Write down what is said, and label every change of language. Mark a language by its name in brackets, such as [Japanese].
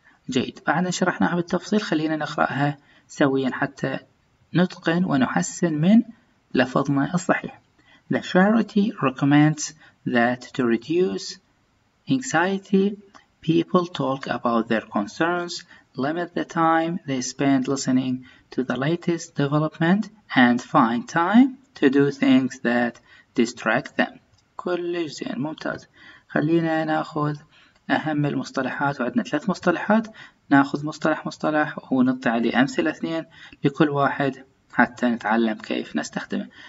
[Arabic] جيد، بعد أن شرحناها بالتفصيل خلينا نقرأها سويا حتى نتقن ونحسن من لفظنا الصحيح. [English] The charity recommends that to reduce anxiety, people talk about their concerns, limit the time they spend listening to the latest development, and find time to do things that distract them. [Arabic] كلش زين، ممتاز. خلينا ناخذ أهم المصطلحات، وعندنا ثلاث مصطلحات، ناخذ مصطلح ونطلع لي أمثلة اثنين لكل واحد حتى نتعلم كيف نستخدمه.